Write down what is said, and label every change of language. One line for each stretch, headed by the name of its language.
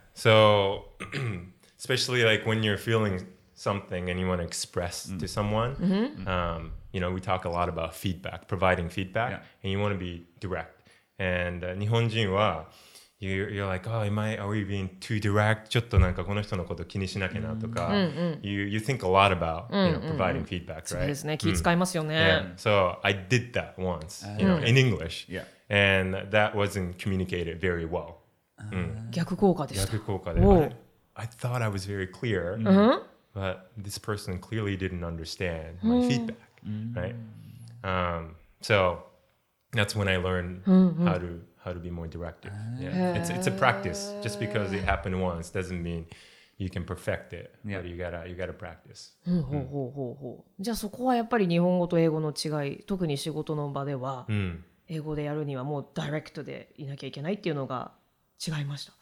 English: So, especially like when you're feeling something and you want to express to someone, you know, we talk a lot about feedback, providing feedback, and you want to be direct. And
Japanese: 日本人は
English: You're like, oh, are we being too direct?
Japanese: ちょっとなんかこの人のこと気にしなきゃなとか。
English: You think a lot about providing feedback, right?
Japanese: そうですね。気遣いますよね。
English: So I did that once, you know, in English. Yeah. And that wasn't communicated very well.
Japanese: 逆効果でした。逆効果で。
English: I thought I was very clear, but this person clearly didn't understand my feedback, right? So that's when I learned how to be more directive. Yeah. It's a practice. Just because it happened once doesn't mean you can perfect it. Yeah. But you gotta practice.
Japanese: じゃあそこはやっぱり日本語と英語の違い、特に仕事の場では、英語でやるにはもうダイレクトでいなきゃいけないっていうのが違いました。